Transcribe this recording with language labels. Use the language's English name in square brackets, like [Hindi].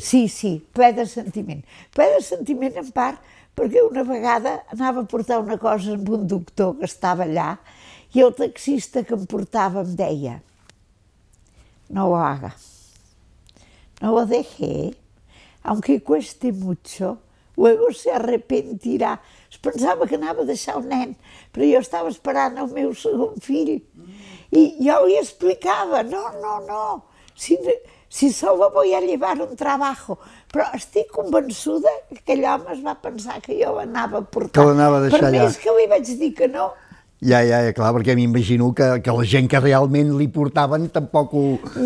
[Catalan] Sí, sí, ple de sentiment. Ple de sentiment, en part, perquè una vegada anava a portar una cosa amb un doctor que estava allà i el taxista que em portava em deia [Spanish] no ho haga, no ho deje, aunque cueste mucho, luego se arrepentirá. [Catalan] Es pensava que anava a deixar el nen, però jo estava esperant el meu segon fill. I jo li explicava, [Spanish] no, no, no, si solo voy a llevar un trabajo. [Catalan] Però estic convençuda que aquell home es va pensar que jo l'anava a portar. Que l'anava a deixar allà. Per més que li vaig dir que no. Ja, clar, perquè m'imagino que la gent que realment li portaven tampoc ho deien.